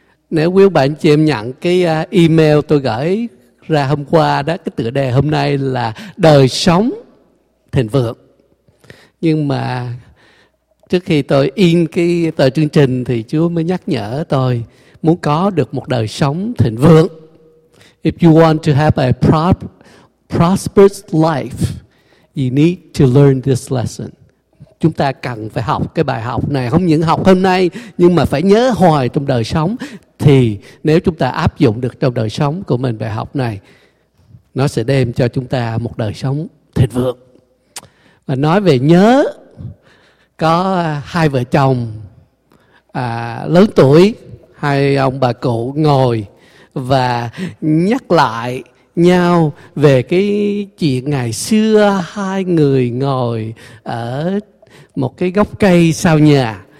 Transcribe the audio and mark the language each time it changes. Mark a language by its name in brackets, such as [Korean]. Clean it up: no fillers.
[Vietnamese] Nếu quý ông bà anh chị em nhận cái email tôi gửi ra hôm qua đó, cái tựa đề hôm nay là đời sống thịnh vượng. Nhưng mà trước khi tôi in cái tờ chương trình thì Chúa mới nhắc nhở tôi muốn có được một đời sống thịnh vượng. [English] If you want to have a prosperous life, you need to learn this lesson. [Vietnamese] Chúng ta cần phải học cái bài học này, không những học hôm nay nhưng mà phải nhớ hoài trong đời sống. Thì nếu chúng ta áp dụng được trong đời sống của mình bài học này, nó sẽ đem cho chúng ta một đời sống thịnh vượng. Và nói về nhớ, có hai vợ chồng lớn tuổi, hai ông bà cụ ngồi và nhắc lại nhau về cái chuyện ngày xưa hai người ngồi ở một cái gốc cây sau nhà.